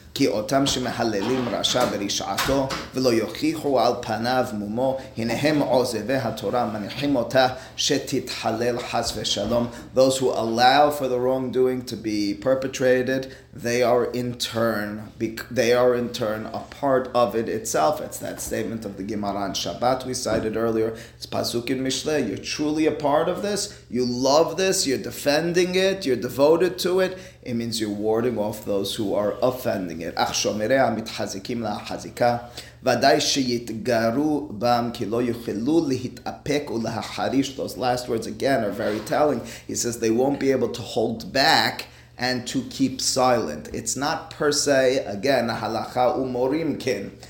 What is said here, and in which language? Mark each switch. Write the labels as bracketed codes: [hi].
[he] כי אותם שמהללים רשע ורשעתו ולא יוכיחו על פניו מומו, הנה הם עוזבי התורה, מניחים אותה שתתחלל חס ושלום. [en] Those who allow for the wrongdoing to be perpetrated, they are in turn a part of it itself. It's that statement of the Gemara on Shabbat we cited earlier. It's Pasuk in Mishle. You're truly a part of this. You love this. You're defending it. You're devoted to it. It means you're warding off those who are offending it. [he] אך שומרי המתחזיקים להחזיקה, ודאי שיתגרו בם כי לא יוכלו להתאפק ולהחריש. [en] Those last words again are very telling. He says they won't be able to hold back and to keep silent. It's not per se, again, halakha umorimkin.